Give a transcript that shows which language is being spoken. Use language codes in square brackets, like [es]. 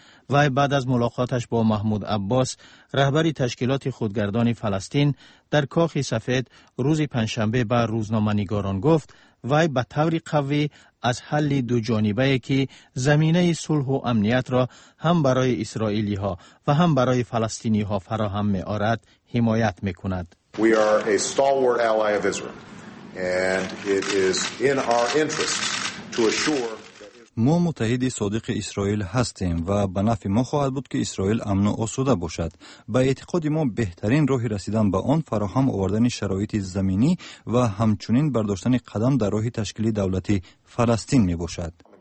[fa] وای بعد از ملاقاتش با محمود عباس، رهبری تشکیلات خودگردان فلسطین در کاخ سفید روز پنجشنبه به روزنامه‌نگاران گفت وای به طور قوی از حل دو جانبه که زمینه صلح و امنیت را هم برای اسرائیلی ها و هم برای فلسطینی ها فراهم می آرد حمایت می کند. [en] We are a stalwart ally of Israel and it is in our interest to assure [fa] ما متحد صادق اسرائیل هستیم و به نفع ما خواهد بود که اسرائیل امن و آسوده باشد. به اعتقاد ما بهترین راه رسیدن به آن فراهم آوردن شرایط زمینی و همچنین برداشتن قدم در راه تشکیل دولت فلسطین می باشد.